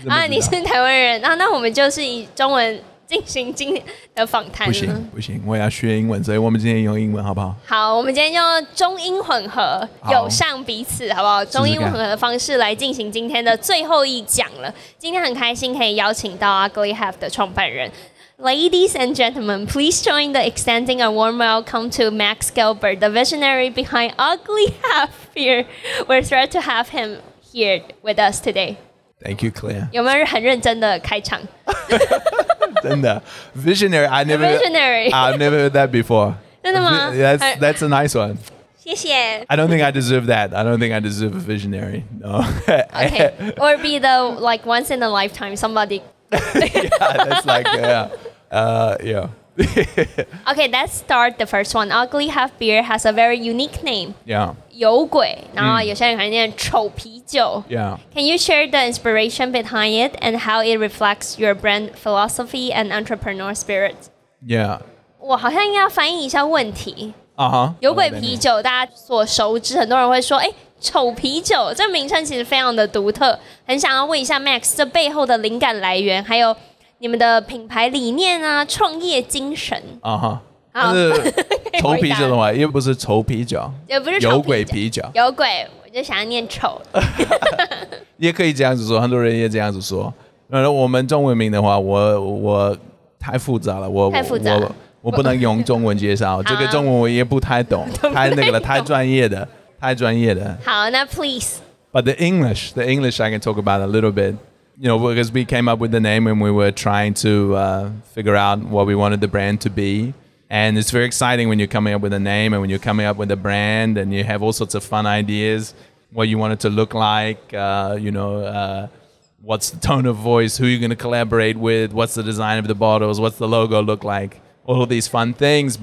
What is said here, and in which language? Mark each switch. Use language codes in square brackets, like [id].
[zh] 你是台湾人那我们就是以中文进行今天的访谈。不行，我也要学英文，所以我们今天用英文好不好？好，我们今天用中英混合，友善彼此，好不好？中英混合的方式来进行今天的最后一讲了。今天很开心可以邀请到 Ugly Half 的创办人。 [en] Ladies and gentlemen, please join the extending a warm welcome to Max Gelber, the visionary behind Ugly Half here. We're thrilled to have him here with us today. Thank you, Claire. [zh] 有没有很认真的开场？真的 visionary, [en] I never heard that before. [zh] 真的吗？ [en] That's a nice one. [zh] 谢谢。 [en] I don't think I deserve a visionary. No. Okay. Or be the like once in a lifetime somebody. Yeah, that's like yeah. Okay, let's start the first one. Ugly Half Beer has a very unique name. Yeah. [zh] 有鬼，然后有些人可能念丑啤酒。 [en] Yeah. Can you share the inspiration behind it and how it reflects your brand philosophy and entrepreneur spirit? Yeah. [zh] 我好像应该翻译一下问题。 Uh-huh. 有鬼啤酒大家所熟知，很多人会说丑啤酒这名称其实非常的独特，很想要问一下 Max 这背后的灵感来源，还有你们的品牌理念啊，创业精神。 Uh-huh. 但是丑啤酒的话又不是丑啤酒，也不是有鬼啤酒。有鬼我就想要念丑也可以这样子说，很多人也这样子说。那我们中文名的话，我太复杂了，我不能用中文介绍这个中文，我也不太懂太专业的。好，那 please [en] but the English I can talk about a little bit. You know, because we came up with the name and we were trying to figure out what we wanted the brand to be. And it's very exciting when you're coming up with a name and when you're coming up with a brand and you have all sorts of fun ideas, what you want it to look like, what's the tone of voice, who you're going to collaborate with, what's the design of the bottles, what's the logo look like, all of these fun things.